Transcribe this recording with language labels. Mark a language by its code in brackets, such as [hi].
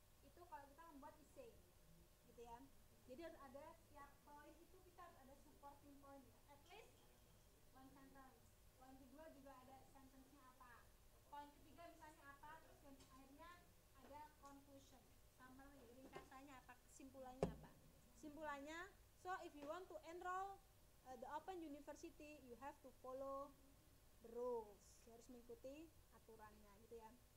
[id] Itu kalau kita membuat essay. Gitu ya. Jadi harus ada setiap poin itu kita harus ada supporting point. [en] At least one sentence. [id] Poin kedua juga ada sentence-nya apa. Poin ketiga misalnya apa, terus yang akhirnya ada conclusion. Ringkasannya apa, kesimpulannya apa? [en] Kesimpulannya, so if you want to enroll the Open University, you have to follow the rules. [id] You harus mengikuti aturannya, gitu ya.